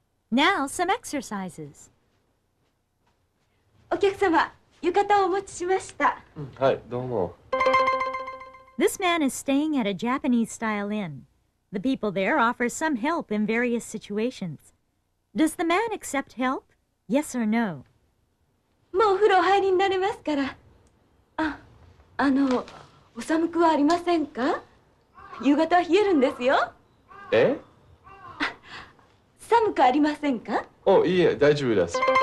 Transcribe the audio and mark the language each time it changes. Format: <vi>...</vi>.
<en>Now, some exercises.</en> <ja>お客様、浴衣をお持ちしました。はい、どうも。</ja> <en>This man is staying at a Japanese-style inn. The people there offer some help in various situations. Does the man accept help? Yes or no?</en> <ja>もうお風呂お入りになれますから。あ、あの、お寒くはありませんか? 夕方は冷えるんですよ。え? 寒くありませんか。お、いいえ、大丈夫です。</ja>